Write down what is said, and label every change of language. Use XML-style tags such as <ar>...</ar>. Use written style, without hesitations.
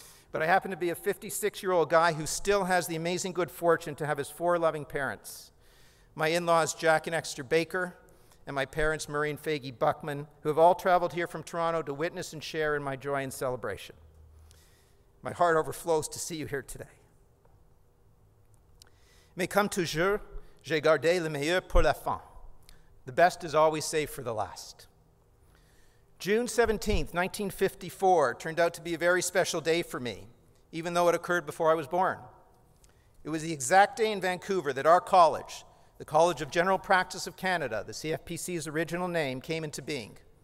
<en>But I happen to be a 56-year-old guy who still has the amazing good fortune to have his four loving parents, my in-laws Jack and Esther Baker, and my parents Murray and Faggy Buchman, who have all traveled here from Toronto to witness and share in my joy and celebration. My heart overflows to see you here today.</en> <fr>Mais comme toujours, j'ai gardé le meilleur pour la fin.</fr> <en>The best is always saved for the last. June 17th, 1954 turned out to be a very special day for me, even though it occurred before I was born. It was the exact day in Vancouver that our college, the College of General Practice of Canada, the CFPC's original name, came into being.</en>